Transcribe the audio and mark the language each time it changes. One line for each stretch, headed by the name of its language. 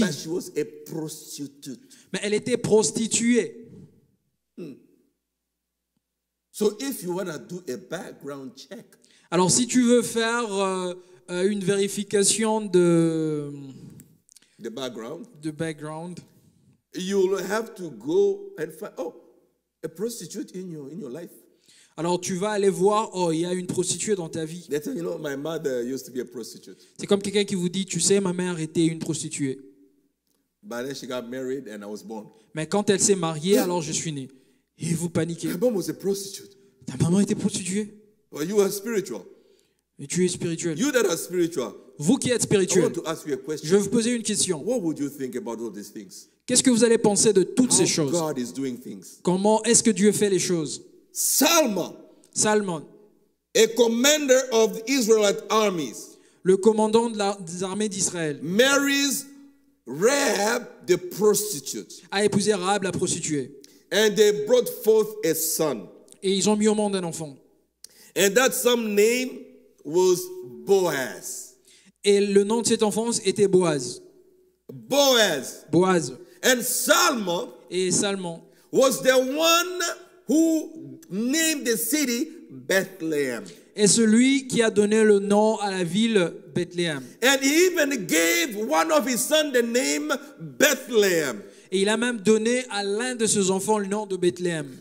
English: But she was a prostitute.
French: Mais elle était prostituée.
English: So if you wanna do a background check,
French: alors si tu veux faire une vérification de
English: the background, the background, you'll have to go and find a prostitute in your life.
French: Alors tu vas aller voir, oh, il y a une prostituée dans ta vie.
English: You know, my mother used to be a prostitute.
French: C'est comme quelqu'un qui vous dit, tu sais, ma mère était une prostituée.
English: But then she got married and I was born.
French: Mais quand elle s'est mariée, alors je suis né. Et vous paniquez.
English: My mom was a prostitute.
French: Ta maman était prostituée.
English: Well, you are spiritual.
French: Et tu es spirituel.
English: You that are spiritual.
French: Vous qui êtes spirituel.
English: I want to ask you a question.
French: Je vais vous poser une question.
English: What would you think about all these things?
French: Qu'est-ce que vous allez penser de toutes
English: how
French: ces choses?
English: God is doing things.
French: Comment est-ce que Dieu fait les choses?
English: Salmon, a commander of Israelite armies,
French: le commandant des armées d'Israël,
English: marries Rahab the prostitute,
French: a épousé Rahab la prostituée,
English: and they brought forth a son,
French: et ils ont mis au monde un enfant,
English: and that son's name was Boaz,
French: et le nom de cet enfant était Boaz.
English: Boaz, and Salmon,
French: et Salmon
English: was the one who named the city Bethlehem.
French: Et celui qui a donné le nom à la ville Bethlehem.
English: And he even gave one of his sons the name Bethlehem.
French: Et il a même donné à l'un de ses enfants le nom de Bethlehem.